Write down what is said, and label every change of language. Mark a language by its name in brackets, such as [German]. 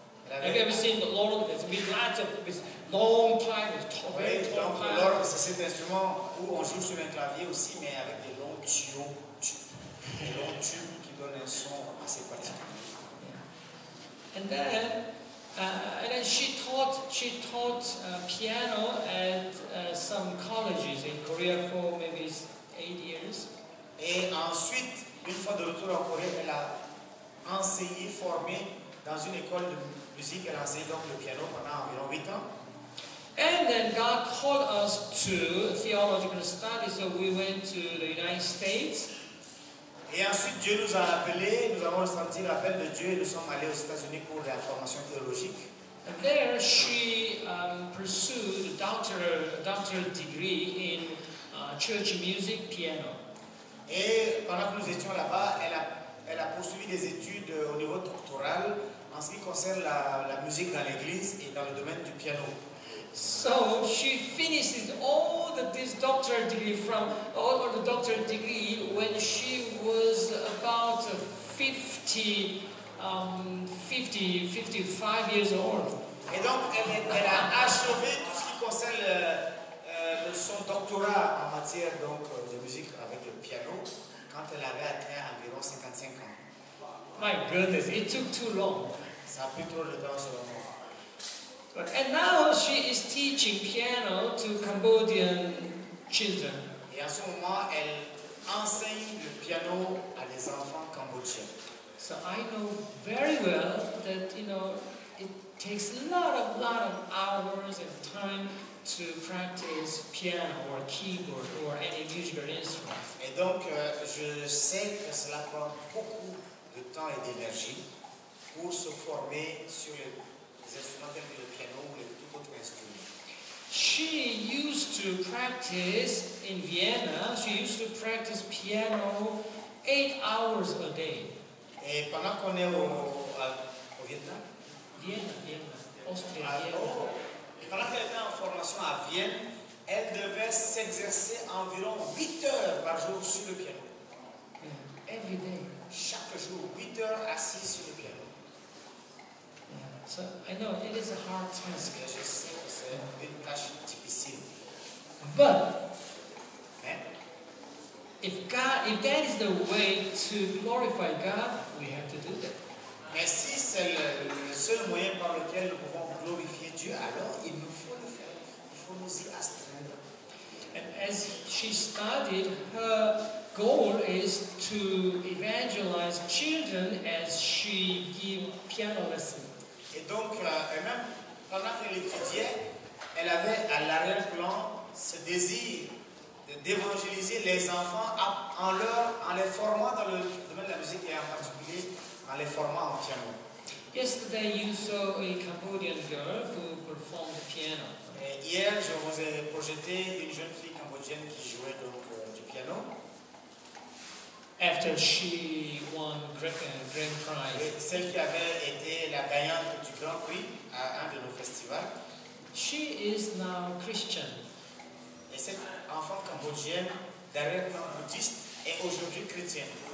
[English] Have you ever seen the l'orgue? It's been lots of... Long pipe, very tall pipe. [French] L'orgue, c'est cet instrument où on joue sur un clavier aussi, mais avec des longs tuyaux, des longs tubes qui donnent un son assez particulier. [English] And then she taught piano at some colleges in Korea for maybe 8 years. [French] Et ensuite, une fois de retour en Corée, elle a enseigné, formé dans une école de musique. Elle a enseigné donc le piano pendant environ 8 ans. [English] And then God called us to theological study, so we went to the United States. [French] Et ensuite Dieu nous a appelés, nous avons senti l'appel de Dieu et nous sommes allés aux États-Unis pour la formation théologique. [English] And there she pursued a doctoral degree in church music piano. [French] Et pendant que nous étions là-bas, elle a poursuivi des études au niveau doctoral en ce qui concerne la musique dans l'église et dans le domaine du piano. [English] So she finishes all this doctorate degree from all the doctorate degree when she was about 55 years old. [French] Et donc elle a achevé tout ce qui concerne son doctorat en matière donc de musique avec le piano quand elle avait atteint environ 55 ans. [English] My goodness, it took too long. [French] Ça a pris trop de temps selon moi. [English] But, and now she is teaching piano to Cambodian children. [French] Et en ce moment, elle enseigne le piano à des enfants cambodgiens. [English] So I know very well that, you know, it takes a lot of hours and time to practice piano or keyboard or any musical instrument. [French] Et donc, je sais que cela prend beaucoup de temps et d'énergie pour se former sur les instruments tels que le piano ou les tout autres instruments. [English] She used to practice in Vienna, she used to practice piano 8 hours a day. [French] Et pendant qu'on est au Vietnam? [English] Vienna, Austria, Vienna. [French] Et pendant qu'elle était en formation à Vienne, elle devait s'exercer environ 8 heures par jour sur le piano. [English] Every day. [French] Chaque jour, 8 heures assis sur le piano. [English] So I know it is a hard task. [French] Je sais que c'est une tâche difficile. [English] But hein? If that is the way to glorify God, we have to do that. [French] Mais si c'est le seul moyen par lequel nous pouvons glorifier Dieu, alors il nous faut le faire. Il faut nous y astreindre. [English] And as she studied, her goal is to evangelize children as she gave piano lessons. [French] Et donc, elle-même, pendant qu'elle étudiait, elle avait à l'arrière-plan ce désir d'évangéliser les enfants en les formant dans le domaine de la musique et en particulier en les formant au piano. [English] Yesterday, you saw a Cambodian girl who performed the piano. [French] Et hier, je vous ai projeté une jeune fille cambodgienne qui jouait donc du piano. [English] After she won grand prize, [French] et celle qui avait été la gagnante du Grand Prix à un de nos festivals, [English] she is now Christian. [French] Et cette enfant cambodgienne, d'arrière-plan bouddhiste, est aujourd'hui chrétienne.